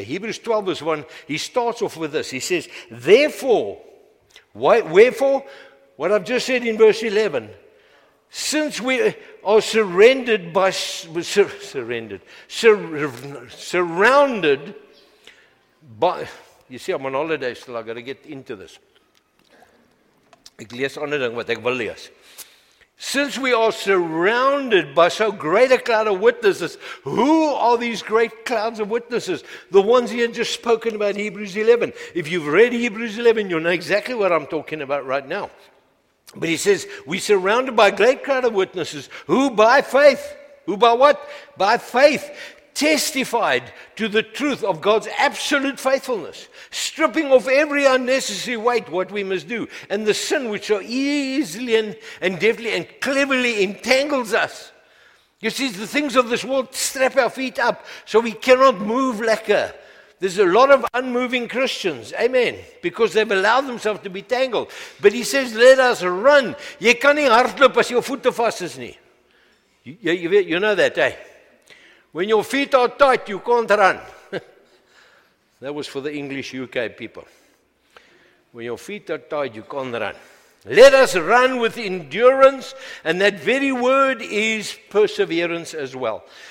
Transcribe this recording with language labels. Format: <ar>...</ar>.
<en>Hebrews 12, verse 1, he starts off with this. He says, therefore, wherefore, what I've just said in verse 11, since we are surrounded by, You see, I'm on holiday still, I've got to get into this.</en> <af>Ek lees ander ding wat ek wil lees.</af> <en>Since we are surrounded by so great a cloud of witnesses, who are these great clouds of witnesses? The ones he had just spoken about, Hebrews 11. If you've read Hebrews 11, you'll know exactly what I'm talking about right now. But he says, we're surrounded by a great crowd of witnesses who by faith, who by what? By faith testified to the truth of God's absolute faithfulness, stripping off every unnecessary weight, what we must do, and the sin which so easily and deftly and cleverly entangles us. You see, the things of this world strap our feet up so we cannot move lekker. There's a lot of unmoving Christians, amen, because they've allowed themselves to be tangled. But he says, let us run.</en> <af>Jy kan nie hardloop as jou voete vas is nie.</af> <en>You know that, eh? When your feet are tight, you can't run. That was for the English UK people. When your feet are tight, you can't run. Let us run with endurance, and that very word is perseverance as well.</en>